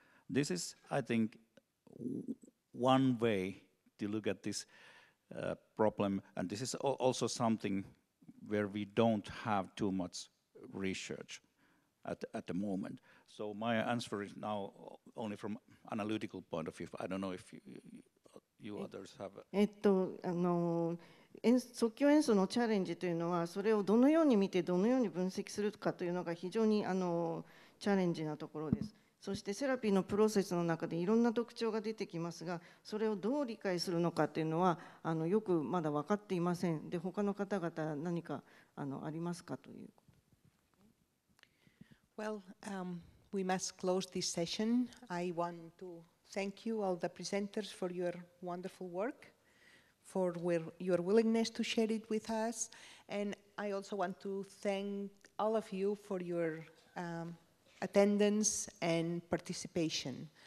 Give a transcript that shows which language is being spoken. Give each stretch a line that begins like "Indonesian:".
English: This is, I think, one way to look at this problem, and this is also something where we don't have too much research at the moment. So my answer is now only from analytical point of view. I don't know if you others have.
Japanese: あの即興演奏のチャレンジというのは、それをどのように見てどのように分析するかというのが非常にチャレンジなところです。そしてセラピーのプロセスの中でいろんな特徴が出てきますが、それをどう理解するのかというのはよくまだ分かっていません。で、他の方々何かありますかという。
English: Well, we must close this session. I want to thank you all the presenters for your wonderful work, for your willingness to share it with us, and I also want to thank all of you for your attendance and participation.